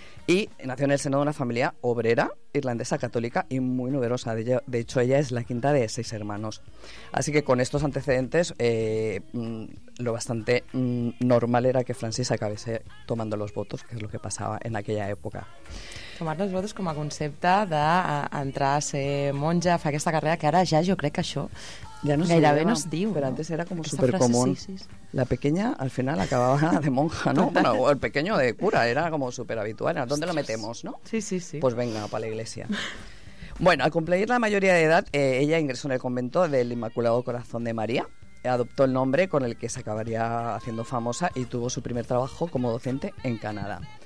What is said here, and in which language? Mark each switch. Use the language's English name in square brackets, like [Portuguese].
[Spanish] Y nació en el seno de una familia obrera, irlandesa, católica y muy numerosa. De hecho, ella es la quinta de 6 hermanos. Así que con estos antecedentes, lo bastante normal era que Frances acabase tomando los votos, que es lo que pasaba en aquella época. Tomar los votos [Catalan] com a concepte d'entrar a ser monja, fer aquesta carrera, que ara ja jo crec que això ja no gairebé no es diu. Però antes era com supercomú. [Spanish] La pequeña al final acababa de monja, ¿no? Bueno, el pequeño de cura, era como superhabitual. ¿A dónde lo metemos, no? Sí, sí, sí. Pues venga, para la iglesia. Bueno, al cumplir la mayoría de edad, ella ingresó en el convento del Inmaculado Corazón de María. Adoptó el nombre con el que se acabaría haciendo famosa y tuvo su primer trabajo como docente en Canadá.